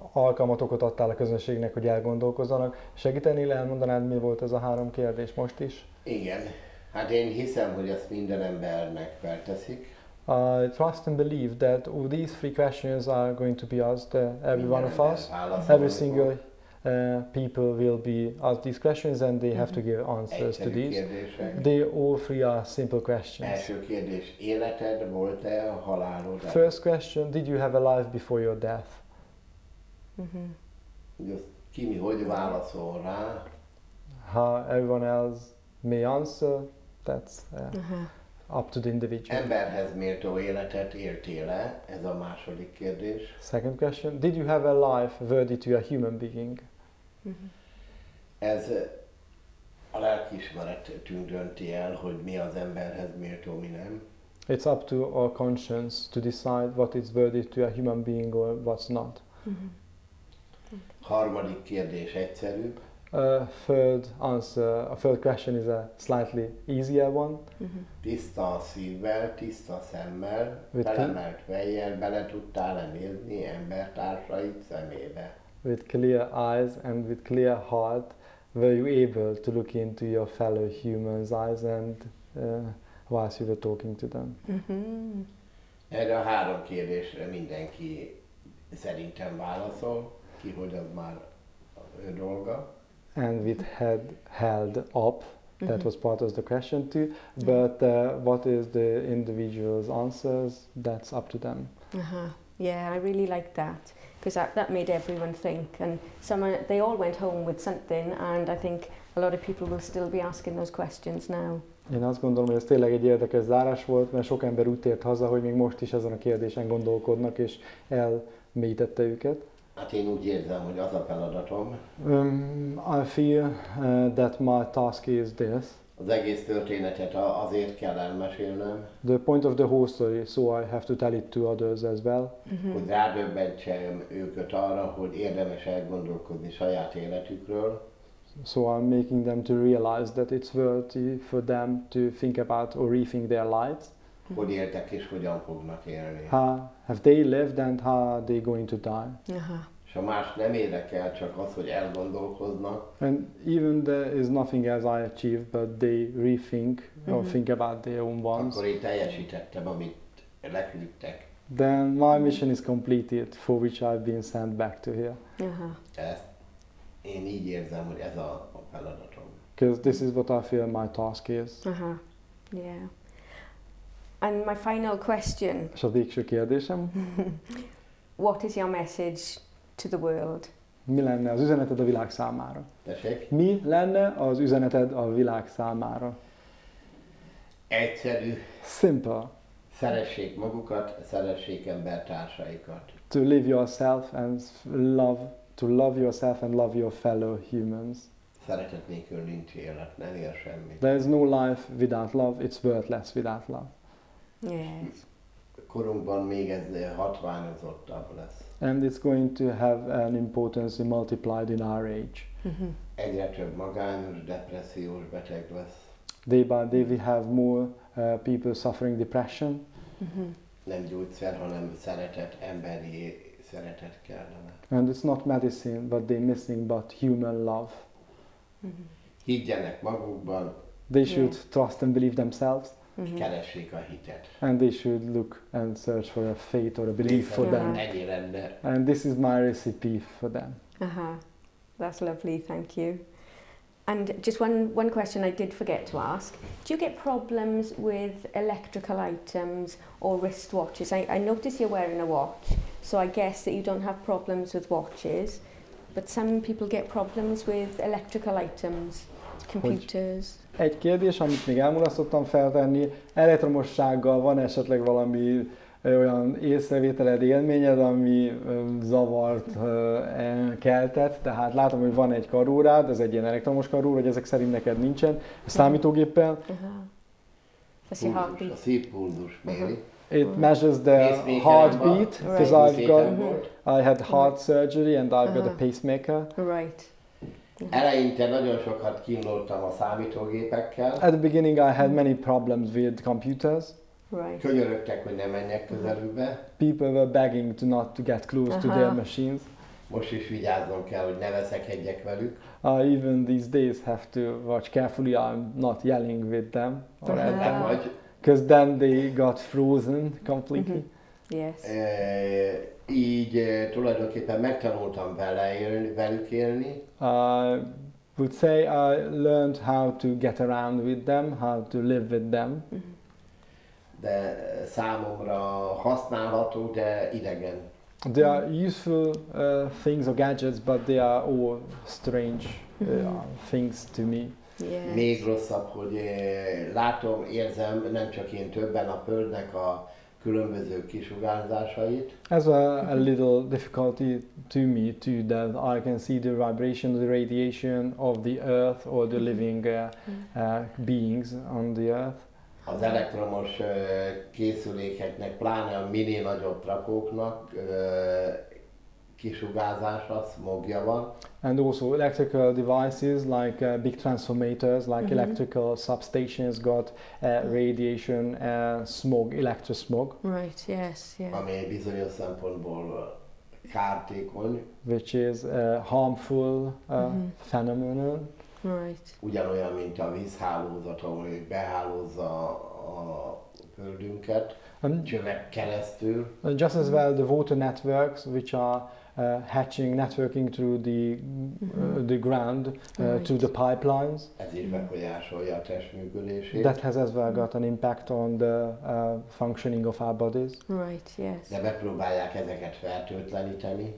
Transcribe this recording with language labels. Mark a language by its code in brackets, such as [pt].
[hu] alkalmatokat adtál a közönségnek, hogy elgondolkozzanak. Segítenél, elmondanád, mi volt ez a három kérdés most is? Igen, hát én hiszem, hogy ezt minden embernek felteszik. [en] Trust and believe that these three questions are going to be asked every [hu] Minden [en] one of [hu] ember [en] us. Every single [hu] válaszolni fog. [en] people will be asked these questions and they have to give answers to [hu] Egyszerű [en] these. [hu] kérdések. [en] They all three are simple questions. [hu] Első kérdés, életed volt-e a halálod előtt? [en] First question, did you have a life before your death? [hu] Ki mi hogy válaszol rá? [en] How everyone else may answer, that's up to the individual. [hu] Emberhez méltó életet éltél-e? Ez a második kérdés. [en] Second question, did you have a life worthy to a human being? [hu] Ez a lelkiismeretünk dönti el, hogy mi az emberhez méltó, mi nem. [en] It's up to our conscience to decide what is worthy to a human being or what's not. [hu] Harmadik kérdés egyszerűbb. [en] A third question is a slightly easier one. [hu] Tiszta szívvel, tiszta szemmel, felemelt fejjel bele tudtál nézni embertársaid szemébe. [en] With clear eyes and with clear heart, were you able to look into your fellow humans' eyes and whilst you were talking to them? [hu] Erre a három kérdésre mindenki szerintem válaszol, ki hogy az már ő dolga. [en] And with head held up, that was part of the question too. But what is the individual's answers? That's up to them. Yeah, I really like that because that made everyone think, and they all went home with something. And I think a lot of people will still be asking those questions now. [hu] Én azt gondolom, hogy ez tényleg egy érdekes zárás volt, mert sok ember úgy tért haza, hogy még most is ezen a kérdésen gondolkodnak és elmélyítette őket. Hát én úgy érzem, hogy az a feladatom. [en] I feel that my task is this. [hu] Az egész történetet azért kell elmesélnem. [en] The point of the whole story, so I have to tell it to others as well. [hu] Hogy rádöbbentsem őket arra, hogy érdemes elgondolkodni saját életükről. [en] So I'm making them to realize that it's worthy for them to think about or rethink their lives. [hu] Hogy éltek és hogyan fognak élni. [en] Have they lived and how are they going to die? [hu] És a más nem érdekel, csak az, hogy elgondolkoznak. [en] And even there is nothing as I achieve, but they rethink or think about their own ones. [hu] Akkor én teljesítettem, amit leküldtek. [en] Then my mission is completed, for which I've been sent back to here. [hu] Én így érzem, hogy ez a feladatom. [en] Because this is what I feel my task is. And my final question. [hu] És a végső kérdésem. [en] What is your message to the world? [hu] Mi lenne az üzeneted a világ számára? Tessék. Mi lenne az üzeneted a világ számára? Egyszerű. [en] Simple. [hu] Szeressék magukat, szeressék embertársaikat. [en] To live yourself and love, to love yourself and love your fellow humans. [hu] Szeretet nélkül nincs élet, nem ér semmit. [en] There is no life without love, it's worthless without love. Yes. [hu] Korunkban még ez hatványozottabb lesz. [en] And it's going to have an importance multiplied in our age. [hu] Egyre több magányos, depressziós beteg lesz. [en] Day by day we have more people suffering depression. [hu] Nem gyógyszer, hanem szeretet, emberi szeretet kellene. [en] And it's not medicine, but they're missing, but human love. [hu] Higgyenek magukban. [en] They should trust and believe themselves. [hu] Keressék a hitet. [en] And they should look and search for a faith or a belief for them. And this is my recipe for them. That's lovely, thank you. And just one question I did forget to ask. Do you get problems with electrical items or wristwatches? I notice you're wearing a watch, so I guess that you don't have problems with watches. But some people get problems with electrical items, computers. [hu] Hogy? Egy kérdés, amit még elmulasztottam feltenni, elektromossággal van esetleg valami olyan észrevételed, élményed, ami zavart keltett, tehát látom, hogy van egy karórád, ez egy ilyen elektromos karóra, hogy ezek szerint neked nincsen, a számítógéppel. A szívpulzus méri. [en] It measures the heartbeat, because I had heart surgery and I've got a pacemaker. Right. [hu] Eleinte nagyon sokat kínlódtam a számítógépekkel. [en] At the beginning I had many problems with computers. Right. [hu] Könyörögtek, hogy ne menjek közelükbe. [en] People were begging to not to get close to their machines. [hu] Most is vigyáznom kell, hogy ne veszekedjek velük. [en] Even these days have to watch carefully. I'm not yelling with them. Or at them. Because then they got frozen completely. Mm-hmm. Yes. [hu] Így tulajdonképpen megtanultam vele élni, velük élni. [en] I would say I learned how to get around with them, how to live with them. [hu] De számomra használható, de idegen. [en] They are useful things or gadgets, but they are all strange things to me. Yes. [hu] Még rosszabb, hogy látom, érzem, nem csak én többen a földnek a különböző kisugárzásait. [en] As a little difficulty to me too, that I can see the vibration, the radiation of the earth or the living beings on the earth. [hu] Az elektromos készülékeknek, pláne a mini nagyobb trakóknak kisugárzása, smogja van. [en] And also electrical devices like big transformers, like mm-hmm. electrical substations got radiation smog, electro smog. Right, yes, yes. [hu] Ami bizonyos szempontból kártékony. [en] Which is a harmful phenomenon. Right. [hu] Ugyanolyan, mint a vízhálózat, ahol behálózza a földünket, csövek keresztül. [en] Just as well the water networks, which are hatching, networking through the the ground, right. through the pipelines. [hu] Ez is befolyásolja a test működését. [en] That has as well got an impact on the functioning of our bodies. Right, yes. [hu] De megpróbálják ezeket fertőtleníteni.